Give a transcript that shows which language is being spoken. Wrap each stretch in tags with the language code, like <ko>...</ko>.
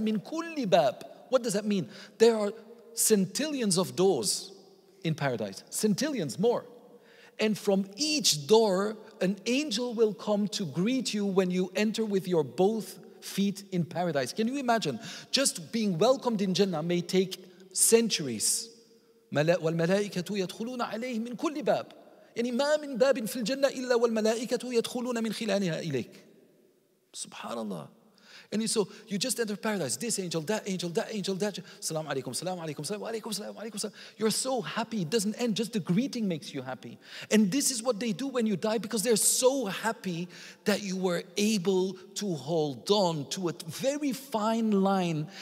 <ar>Min kulli bab.</ar> <en>What does that mean? There are centillions of doors in paradise. Centillions, more. And from each door, an angel will come to greet you when you enter with your both feet in paradise. Can you imagine? Just being welcomed in Jannah may take centuries.</en> <ar>وَالْمَلَائِكَةُ يَدْخُلُونَ عَلَيْهِ مِنْ كُلِّ بَابٍ. يعني ما من باب في الجنة إلا والملائكة يدخلون من خلالها إليك. سبحان الله.</ar> <en>And so you just enter paradise. This angel, that angel, that angel, that angel. Salam alaikum, salam alaikum, salam alaikum, salam alaikum. You're so happy. It doesn't end. Just the greeting makes you happy. And this is what they do when you die, because they're so happy that you were able to hold on to a very fine line.</en>